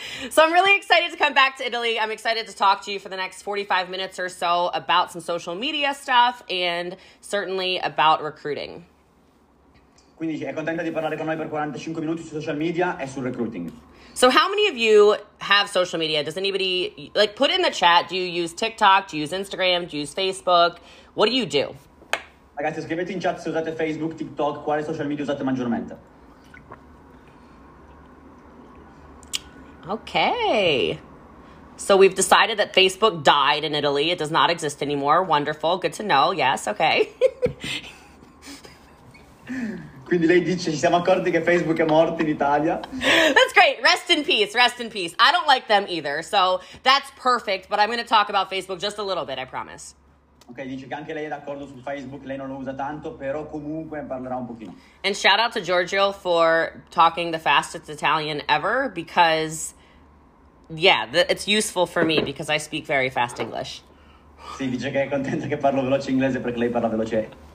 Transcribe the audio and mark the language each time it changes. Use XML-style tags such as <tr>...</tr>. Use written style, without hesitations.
<en>So I'm really excited to come back to Italy. I'm excited to talk to you for the next 45 minutes or so about some social media stuff and certainly about recruiting.</en> <it>Quindi è contenta di parlare con noi per 45 minuti su social media e sul recruiting.</it> <en>So how many of you have social media? Does anybody, like, put in the chat, do you use TikTok, do you use Instagram, do you use Facebook? What do you do?</en> <it>Ragazzi, scrivete in chat se usate Facebook, TikTok, quale social media usate maggiormente.</it> <en>Okay. So we've decided that Facebook died in Italy. It does not exist anymore. Wonderful. Good to know. Yes. Okay.</en> <it>Quindi lei dice, ci siamo accorti che Facebook è morto in Italia.</it> <en>That's great. Rest in peace. Rest in peace. I don't like them either. So that's perfect. But I'm going to talk about Facebook just a little bit, I promise.</en> <it>Okay, dice che anche lei è d'accordo su Facebook. Lei non lo usa tanto, però comunque parlerà un pochino.</it> <en>And shout out to Giorgio for talking the fastest Italian ever because, yeah, it's useful for me because I speak very fast English.</en> <it>Sì, dice che è contenta che parlo veloce inglese perché lei parla veloce.</it>